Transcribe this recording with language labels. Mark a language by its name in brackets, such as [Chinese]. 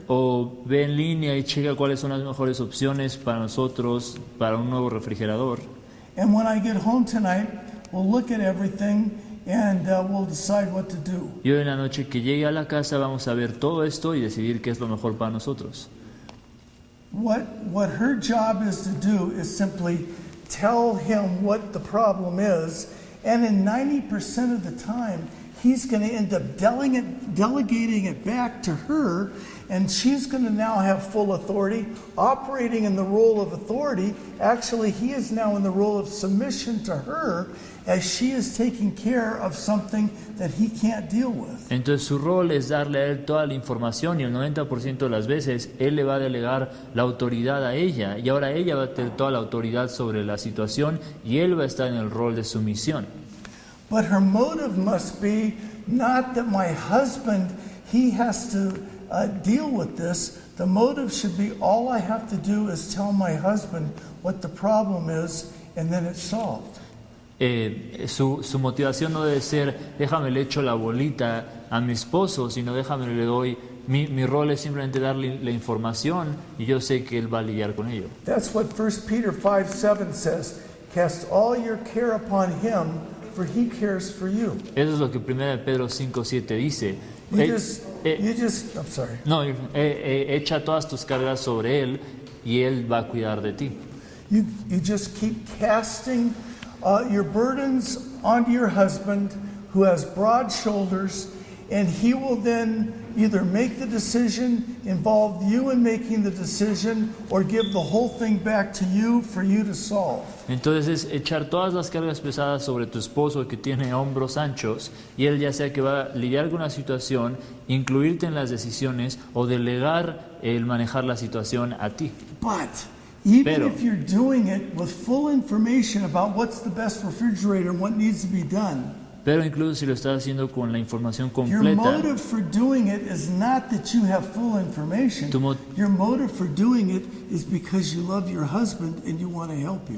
[Spanish] O ve en línea y checa cuáles son las mejores opciones para nosotros para un nuevo refrigerador. [English] And when I get home tonight, we'll look at everything and we'll decide what to do. [Spanish] Y hoy en la noche que llegue a la casa vamos a ver todo esto y decidir qué es lo mejor para nosotros. [English] What her job is to do is simply tell him what the problem is, and in 90% of the time he's going to end up delegating it back to her, and she's going to now have full authority, operating in the role of authority. Actually, he is now in the role of submission to her, as she is taking care of something that he can't deal with. [Spanish] Entonces su rol es darle a él toda la información, y el 90% de las veces él le va a delegar la autoridad a ella, y ahora ella va a tener toda la autoridad sobre la situación y él va a estar en el rol de sumisión. [English] But her motive must be not that my husband, he has to deal with this. The motive should be all I have to do is tell my husband what the problem is, and then it's solved. [Spanish] Su motivación no debe ser déjame le echo la bolita a mi esposo, sino déjame le doy mi rol es simplemente darle la información y yo sé que él va a lidiar con ello. [English] That's what 1 Peter 5:7 says, cast all your care upon him, for he cares for you. [Spanish] Eso es lo que 1 Pedro 5:7 dice. Echa todas tus cargas sobre él y él va a cuidar de ti. [English] You just keep casting your burdens onto your husband, who has broad shoulders, and he will then either make the decision, involve you in making the decision, or give the whole thing back to you for you to solve. [Spanish] Entonces es echar todas las cargas pesadas sobre tu esposo que tiene hombros anchos, y él ya sea que va a lidiar con la situación, incluirte en las decisiones, o delegar el manejar la situación a ti. [English] But even if you're doing it with full information about what's the best refrigerator and what needs to be done, [Spanish] pero incluso si lo estás haciendo con la información completa, [English] your motive for doing it is not that you have full information. Your motive for doing it is because you love your husband and you want to help him.